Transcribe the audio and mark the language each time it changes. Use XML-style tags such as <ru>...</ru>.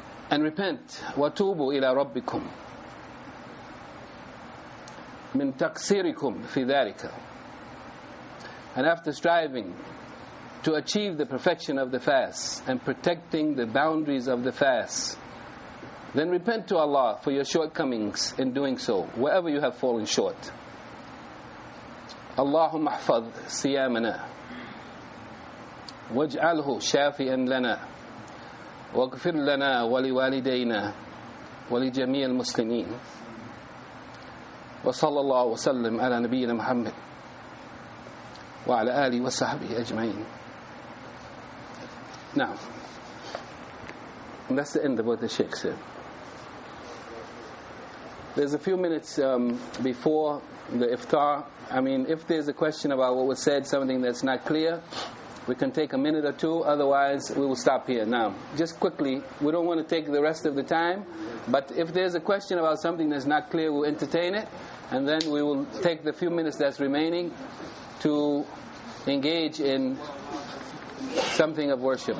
<en>And repent.</en> <ar>وَتُوبُوا إِلَىٰ رَبِّكُمْ مِنْ تَقْصِيرِكُمْ فِي ذَٰلِكَ.</ar> <en>And after striving to achieve the perfection of the fast and protecting the boundaries of the fast, then repent to Allah for your shortcomings in doing so, wherever you have fallen short.</en> <ar>اللهم احفظ صيامنا واجعله شافيا لنا واغفر لنا ولوالدينا ولجميع المسلمين وصلى الله وسلم على نبينا محمد وعلى آله وصحبه أجمعين. نعم.</ar> <en>That's the end of what the Sheikh said. There's a few minutes before the iftar. I mean, if there's a question about what was said, something that's not clear, we can take a minute or two. Otherwise, we will stop here. Now, just quickly, we don't want to take the rest of the time, but if there's a question about something that's not clear, we'll entertain it, and then we will take the few minutes that's remaining to engage in something of worship.</en>